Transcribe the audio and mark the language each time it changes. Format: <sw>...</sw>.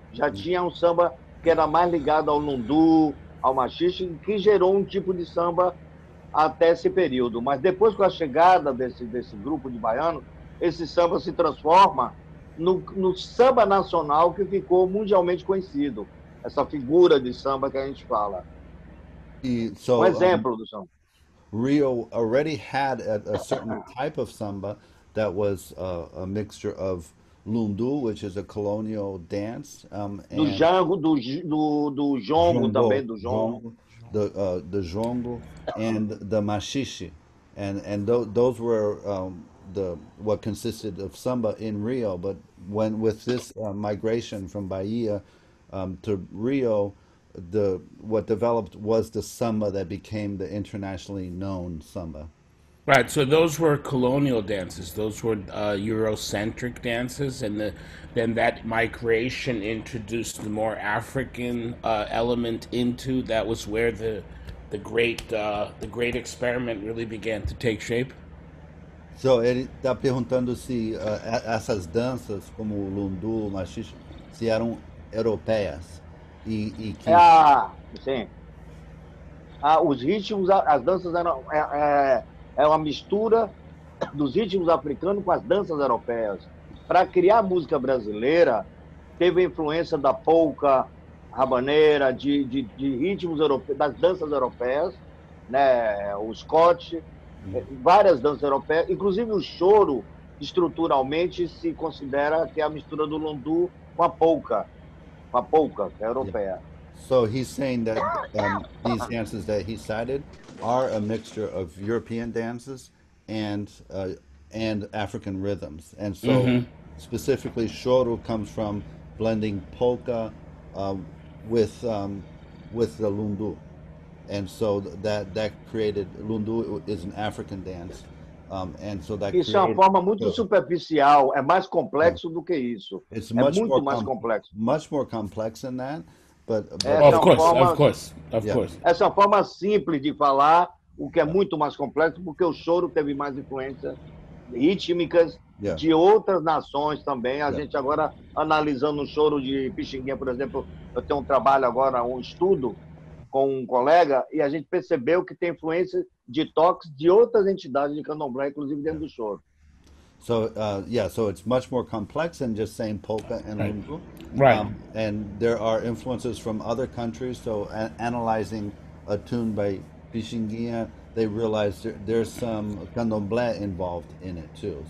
<pt>Já tinha um samba que era mais ligado ao lundu, ao maxixe, que gerou um tipo de samba até esse período. Mas depois, com a chegada desse grupo de baianos, esse samba se transforma no samba nacional que ficou mundialmente conhecido. Essa figura de samba que a gente fala. Um exemplo do samba.</pt> <en>Rio already had a certain type of samba that was a mixture of lundu, which is a colonial dance.</en> <pt>Do jango, do jongo, também do jongo.</pt> <en>The jongo and the maxixe. And those were what consisted of samba in Rio. But when with this migration from Bahia to Rio, what developed was the samba that became the internationally known samba. Right, so those were colonial dances. Those were Eurocentric dances, and then that migration introduced the more African element into. That was where the great experiment really began to take shape.</en> <pt>So ele está perguntando se essas danças como o lundu, o maxixe, se eram europeias e que os ritmos, as danças eram é uma mistura dos ritmos africanos com as danças europeias. Para criar a música brasileira, teve a influência da polca, rabaneira, de ritmos europeus, das danças europeias, né? O scotch, várias danças europeias. Inclusive o choro, estruturalmente, se considera que é a mistura do lundu com a polca, que é europeia.</pt> <en>So he's saying that these dances that he cited are a mixture of European dances and African rhythms. And so specifically choro comes from blending polka with the lundu. And so that created, lundu is an African dance.</en> <pt>Isso é uma forma muito superficial, é mais complexo do que isso.</pt> <en>It's</en> <pt>é</pt> <en>much</en> <pt>muito mais complexo.</pt> <en>Much more complex than that. Of course.</en> <pt>Essa é uma forma simples de falar o que é muito mais complexo, porque o choro teve mais influência rítmicas de outras nações também. A gente agora, analisando o choro de Pixinguinha, por exemplo, eu tenho um trabalho agora, um estudo com um colega, e a gente percebeu que tem influência de toques de outras entidades de candomblé, inclusive dentro do choro.</pt> <en>So so it's much more complex than just saying polka and lundu. Right. And there are influences from other countries. So analyzing a tune by Pixinguinha, they realize there's some candomblé involved in it too.</en>